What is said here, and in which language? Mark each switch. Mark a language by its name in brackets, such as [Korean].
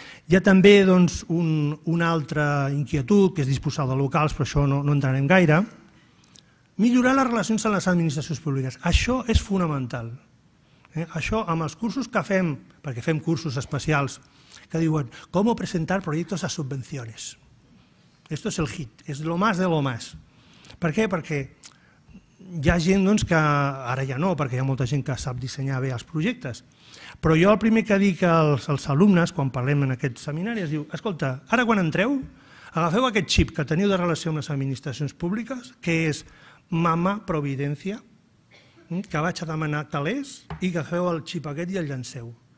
[Catalan] Hi ha també doncs, una altra inquietud, que és disposar de locals, però això no entrarem gaire. Millorar les relacions amb les administracions públiques. Això és fonamental. Això amb els cursos que fem, perquè fem cursos especials, que diuen com presentar projectes a subvenciones. [Spanish] Esto es el hit, és lo más de lo más. [Catalan] Per què? Perquè hi ha gent doncs, que ara ja no, perquè hi ha molta gent que sap dissenyar bé els projectes. Però jo el primer que dic als alumnes, quan parlem en aquest seminari, es diu, escolta, ara quan entreu, agafeu aquest xip que teniu de relació amb les administracions públiques, que és mama providència, que vaig a demanar calés i que feu el xip aquest i el llanceu.